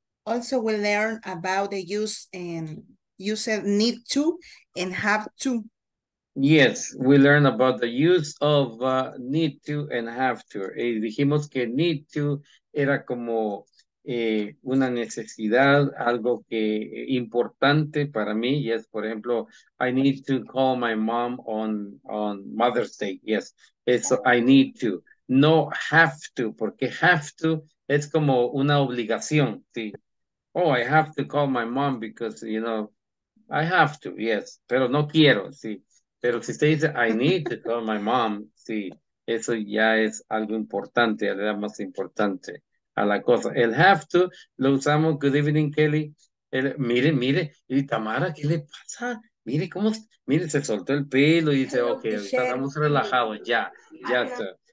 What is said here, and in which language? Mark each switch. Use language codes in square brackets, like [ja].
[en] Also we'll learn about the use and you said need to and have to. Yes, we learn about the use of need to and have to. [es] Dijimos que need to era como una necesidad, algo que importante para mí. [en] Yes, [es] por ejemplo, [en] I need to call my mom on Mother's Day. [es] Yes, eso I need to. No have to, porque have to es como una obligación. ¿Sí? [en] Oh, I have to call my mom because, you know, I have to, yes. [es] Pero no quiero, sí. Pero si usted dice, [en] I need to call my mom, [es] sí. Eso ya es algo importante, le da más importante a la cosa. El have to lo usamos. [en] Good evening, Kelly. [es] Mire. Y Tamara, ¿qué le pasa? Mire, se soltó el pelo y dice, ok, estamos relajados, ya está.